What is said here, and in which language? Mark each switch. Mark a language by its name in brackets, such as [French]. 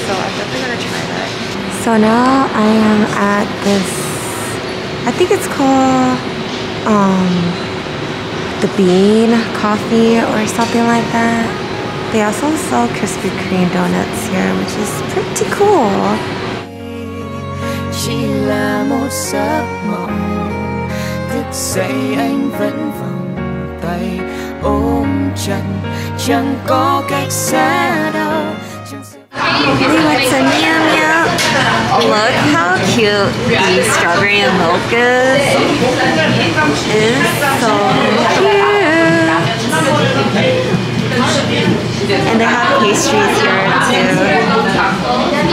[English] So I'm definitely gonna try that. So now I am at this. I think it's called the bean coffee or something like that. They also sell Krispy Kreme donuts here, which is pretty cool. [Vietnamese] Chỉ là một giấc mộng, thức dậy anh vẫn vòng tay ôm chặt, chẳng có cách xa đâu. [English] Hey, what's up, meow meow? Look how cute the strawberry and milk is. It's so cute. And they have pastries here too.